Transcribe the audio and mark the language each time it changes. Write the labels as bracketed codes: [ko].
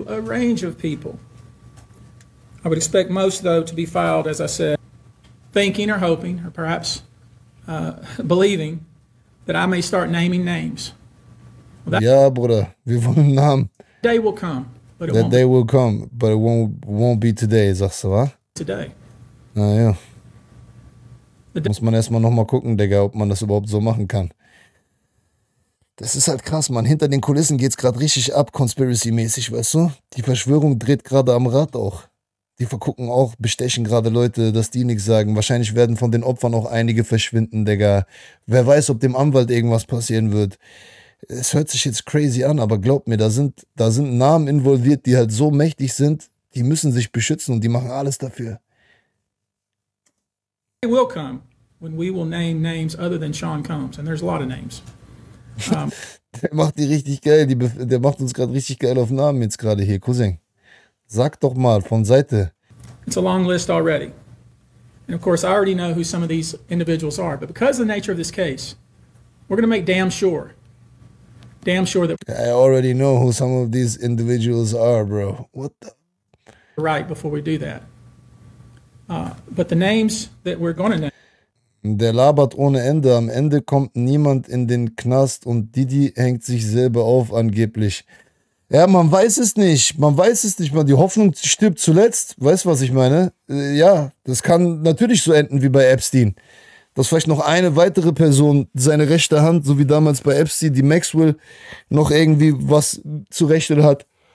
[en] A range of people. I would expect most, though, to be filed, as I said, thinking or hoping, or perhaps believing, that I may start naming names. [de] Well, ja, Bruder, wir wollen Namen. [en] Day will come, but that day will come, but it won't be today, [de] sagst du, wa? [en] Today. [de] Naja. Muss man erstmal nochmal gucken, Digga, ob man das überhaupt so machen kann. Das ist halt krass, Mann. Hinter den Kulissen geht's gerade richtig ab, Conspiracy-mäßig, weißt du? Die Verschwörung dreht gerade am Rad auch. Die vergucken auch, bestechen gerade Leute, dass die nichts sagen. Wahrscheinlich werden von den Opfern auch einige verschwinden, Digga. Wer weiß, ob dem Anwalt irgendwas passieren wird. Es hört sich jetzt crazy an, aber glaubt mir, da sind Namen involviert, die halt so mächtig sind, die müssen sich beschützen und die machen alles dafür. [en] It will come, when we will name names other than Sean Combs, and there's a lot of names. [de] Der macht die richtig geil, der macht uns gerade richtig geil auf Namen jetzt gerade hier, Cousin. Sag doch mal von Seite. [en] It's a long list already. And of course, I already know who some of these individuals are, but because of the nature of this case, we're going to make damn sure that I already know who some of these individuals are, bro. What the? Right, before we do that. But the names that we're going to name. [de] Der labert ohne Ende. Am Ende kommt niemand in den Knast und Diddy hängt sich selber auf, angeblich. Ja, man weiß es nicht. Man weiß es nicht. Die Hoffnung stirbt zuletzt. Weißt du, was ich meine? Ja, das kann natürlich so enden wie bei Epstein. Dass vielleicht noch eine weitere Person seine rechte Hand, so wie damals bei Epstein, die Maxwell, noch irgendwie was zurechtet hat.